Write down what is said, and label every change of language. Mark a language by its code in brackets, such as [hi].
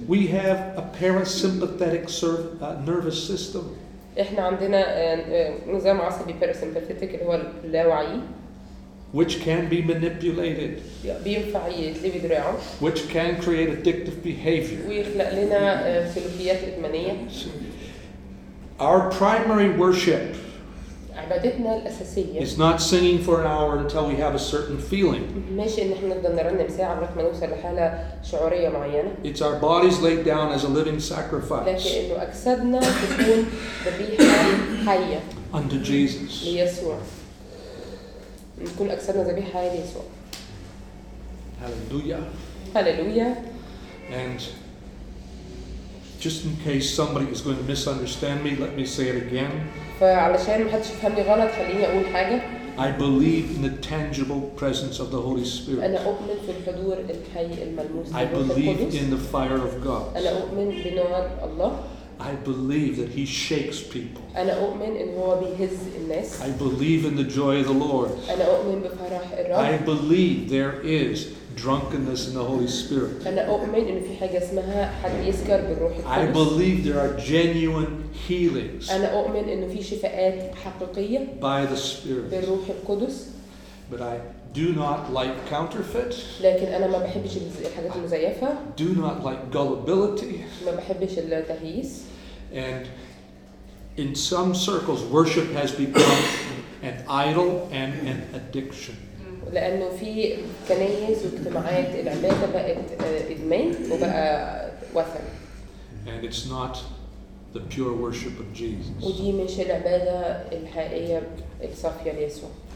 [en] We have a parasympathetic nervous system. [ar] احنا عندنا نظام عصبي parasympathetic اللي هو اللاوعي. [en] Which can be manipulated. [ar] بينفع يتلبي دراعه. [en] Which can create addictive behavior. [ar] ويخلق لنا سلوكيات إدمانية. [en] Our primary worship [ar] عبادتنا الأساسية [en] is not singing for an hour until we have a certain feeling. [ar] مش إن إحنا بدنا نرنم ساعة لغاية ما نوصل لحالة شعورية معينة. [en] It's our bodies laid down as a living sacrifice. [ar] لكن إنه أجسادنا تكون ذبيحة حية. [en] Unto Jesus. [ar] ليسوع. نكون أجسادنا ذبيحة حية ليسوع. [en] Hallelujah. Hallelujah. And just in case somebody is going to misunderstand me, let me say it again. [ar] فعلشان ما حدش يفهمني غلط خليني أقول حاجة. [en] I believe in the tangible presence of the Holy Spirit. [ar] أنا أؤمن في الحضور الحي الملموس. [en] I believe in the fire of God. [ar] أنا أؤمن بنور الله. [en] I believe that He shakes people. [ar] أنا أؤمن إن هو بيهز الناس. [en] I believe in the joy of the Lord. [ar] أنا أؤمن بفرح الرب. [en] I believe there is drunkenness in the Holy Spirit. [ar] أنا أؤمن إن في حاجة اسمها حد يسكر بالروح القدس. [en] I believe there are genuine healings. [ar] أنا أؤمن إنه في شفاءات حقيقية. [en] By the Spirit. [ar] بالروح القدس. [en] But I do not like counterfeit. [ar] لكن أنا ما بحبش الحاجات المزيفة. [en] Do not like gullibility. [ar] ما بحبش التهييس. [en] And in some circles, worship has become an idol and an addiction. [ar] لأنه في كنائس واجتماعات العبادة بقت إدمان وبقى وثن. [en] And it's not the pure worship of Jesus. [ar] ودي مش العبادة الحقيقية الصافية ليسوع.